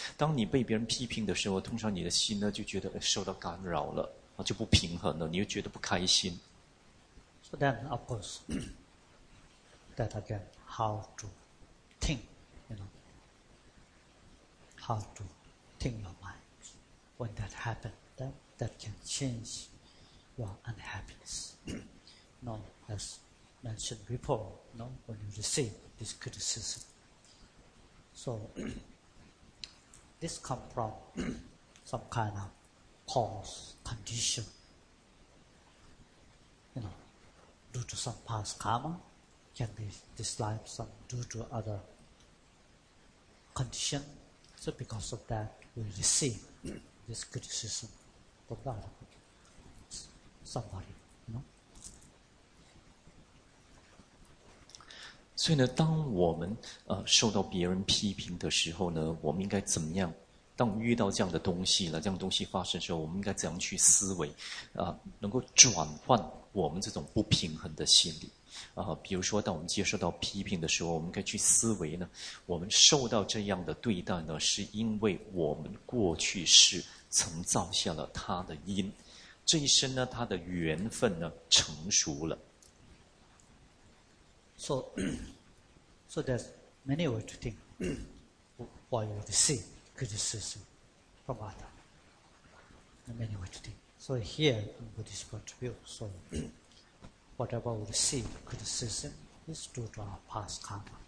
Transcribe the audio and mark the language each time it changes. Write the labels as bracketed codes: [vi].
[zh] 当你被别人批评的时候，通常你的心呢就觉得受到干扰了，就不平衡了，你又觉得不开心。 [en] So then, of course, that again, how to think, you know, how to think your mind. When that happens, then that can change your unhappiness. No, as mentioned before, no, when you receive. This criticism. So, this comes from some kind of cause, condition, you know, due to some past karma, can be this life, some due to other condition. So, because of that, we receive this criticism from that somebody. [zh] 所以呢当我们受到别人批评的时候呢，我们应该怎么样当遇到这样的东西了，这样东西发生的时候，我们应该怎样去思维啊，能够转换我们这种不平衡的心理啊。比如说当我们接受到批评的时候，我们该去思维呢，我们受到这样的对待呢，是因为我们过去是曾造下了他的因，这一生呢，他的缘分呢成熟了。 [en] So there's many ways to think why you see criticism from other many ways to think. So here in Buddhist point of view, so whatever we see criticism is due to our past karma.